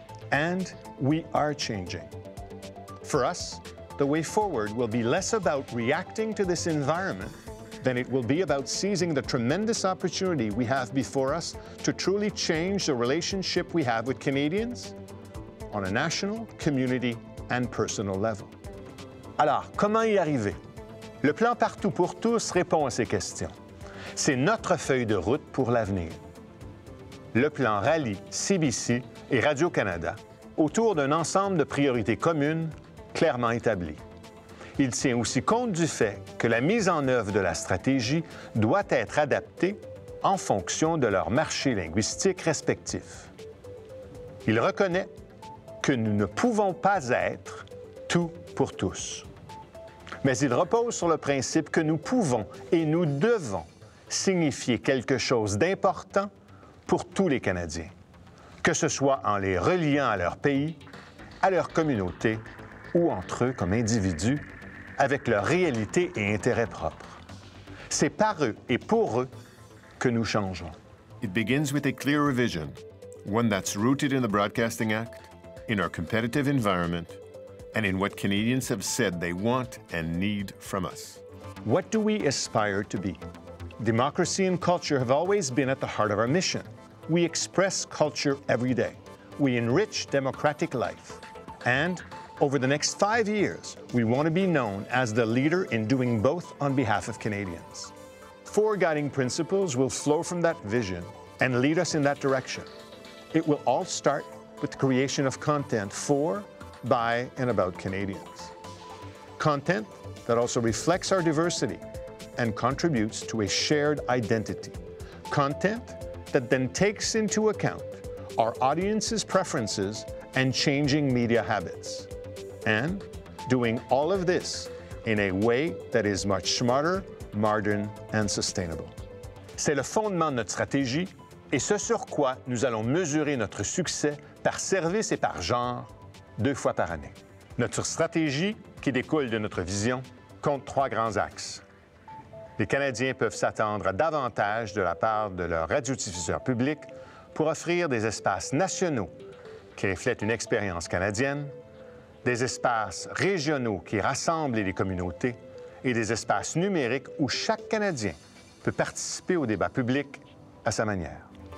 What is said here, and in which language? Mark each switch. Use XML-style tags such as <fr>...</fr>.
<en>And we are changing. For us, the way forward will be less about reacting to this environment than it will be about seizing the tremendous opportunity we have before us to truly change the relationship we have with Canadians on a national, community, and personal level.</en> <fr>Alors, comment y arriver? Le plan Partout pour tous répond à ces questions. C'est notre feuille de route pour l'avenir. Le plan rallie CBC et Radio-Canada autour d'un ensemble de priorités communes clairement établies. Il tient aussi compte du fait que la mise en œuvre de la stratégie doit être adaptée en fonction de leurs marchés linguistiques respectifs. Il reconnaît que nous ne pouvons pas être tout pour tous. Mais il repose sur le principe que nous pouvons et nous devons signifier quelque chose d'important pour tous les Canadiens, que ce soit en les reliant à leur pays, à leur communauté ou entre eux comme individus, avec leur réalité et intérêts propres. C'est par eux et pour eux que nous changeons.</fr> <en>It begins with a clearer vision, one that's rooted in the Broadcasting Act, in our competitive environment, and in what Canadians have said they want and need from us. What do we aspire to be? Democracy and culture have always been at the heart of our mission. We express culture every day. We enrich democratic life. And over the next 5 years, we want to be known as the leader in doing both on behalf of Canadians. Four guiding principles will flow from that vision and lead us in that direction. It will all start with the creation of content for, by, and about Canadians. Content that also reflects our diversity and contributes to a shared identity. Content that then takes into account our audience's preferences and changing media habits. And doing all of this in a way that is much smarter, modern, and sustainable.</en> <fr>C'est le fondement de notre stratégie et ce sur quoi nous allons mesurer notre succès par service et par genre deux fois par année. Notre stratégie, qui découle de notre vision, compte trois grands axes. Les Canadiens peuvent s'attendre à davantage de la part de leur radiodiffuseur public pour offrir des espaces nationaux qui reflètent une expérience canadienne, des espaces régionaux qui rassemblent les communautés et des espaces numériques où chaque Canadien peut participer au débat public à sa manière.</fr>